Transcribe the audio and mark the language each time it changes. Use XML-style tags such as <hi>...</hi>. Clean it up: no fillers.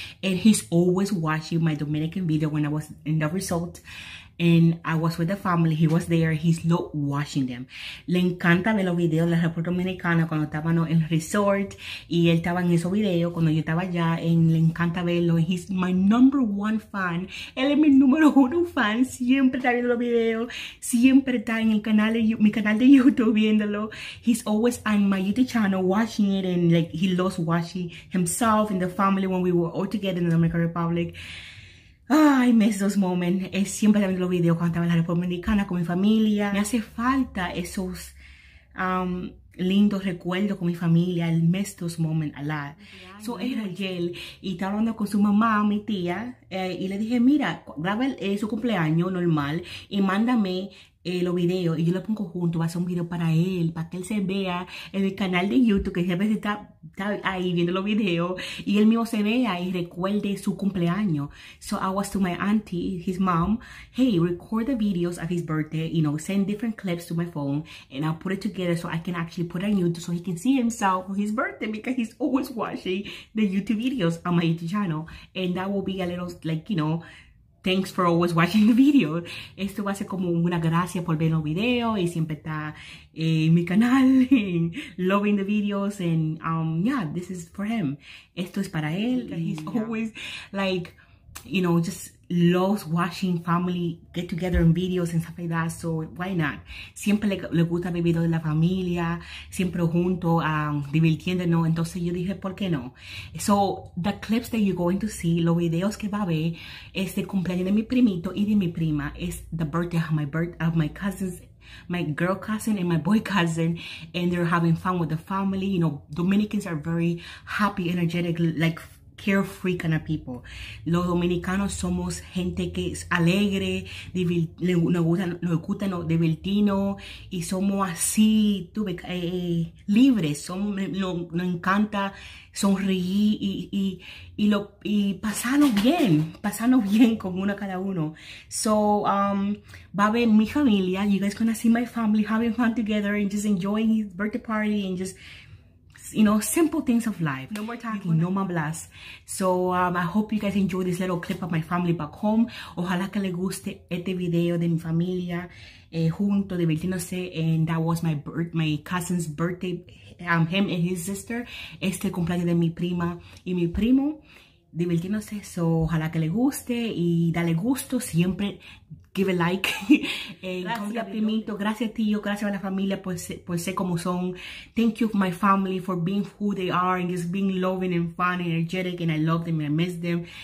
<en>And he's always watching my Dominican video when I was in the resort. And I was with the family. He was there. He's not watching them.</en> <es>Le encanta ver los videos de la República Dominicana cuando estábamos en el resort. Y él estaba en esos videos cuando yo estaba allá.</es> <en>And</en> <es>le encanta verlo.</es> <en>And he's my number one fan.</en> <es>Él es mi número uno fan. Siempre está viendo los videos. Siempre está en el canal, mi canal de YouTube viéndolo.</es> <en>He's always on my YouTube channel watching it. And like he loves watching himself and the family when we were all together in the Dominican Republic. Ay, miss those moments.</en> <es>Siempre también los videos cuando estaba en la República Dominicana con mi familia. Me hace falta esos lindos recuerdos con mi familia.</es> <en>I miss those moments a lot.</en> <es>So, era Yel y estaba hablando con su mamá, mi tía, y le dije, mira, graba su cumpleaños normal y mándame los videos y yo lo pongo junto. Va a ser un video para él, para que él se vea en el canal de YouTube, que siempre está ahí viendo los videos y él mismo se vea y recuerde su cumpleaños.</es> <en>So I was to my auntie, his mom, hey, record the videos of his birthday, you know, send different clips to my phone and I'll put it together so I can actually put it on YouTube so he can see himself on his birthday because he's always watching the YouTube videos on my YouTube channel. And that will be a little, like, you know, thanks for always watching the video.</en> <es>Esto va a ser como una gracia por ver los videos y siempre está en mi canal y</es> <en>loving the videos and yeah, this is for him.</en> <es>Esto es para él. Yeah.</es> <en>He's always like, you know, just loves watching family get together in videos and stuff like that. So why not?</en> <es>Siempre le gusta ver videos de la familia, siempre junto, divirtiéndonos. Entonces yo dije, ¿por qué no?</es> <en>So the clips that you're going to see,</en> <es>los videos que va a ver, es el cumpleaños de mi primito y de mi prima.</es> <en>Es the birthday of my cousins, my girl cousin and my boy cousin, and they're having fun with the family. You know, Dominicans are very happy, energetic, like carefree kind of people.</en> <es>Los dominicanos somos gente que es alegre, nos gusta no divertirnos y somos así, tuve libres, nos encanta sonreír y pasarnos bien con uno cada uno. So va a haber mi familia.</es> <en>You guys gonna see my family having fun together and just enjoying his birthday party and just, you know, simple things of life. No more talking. No more blast. So I hope you guys enjoy this little clip of my family back home.</en> <es>Ojalá que les guste este video de mi familia junto, divirtiéndose.</es> <en>And that was my cousin's birthday. Him and his sister.</en> <es>Este cumpleaños de mi prima y mi primo, divirtiéndose. So ojalá que les guste y dale gusto siempre.</es> <en>Give a like.</en> <es>Gracias, primito. Gracias, tío. Gracias a la familia por ser como son.</es> <en>Thank you, my family, for being who they are and just being loving and fun and energetic. And I love them and I miss them.</en>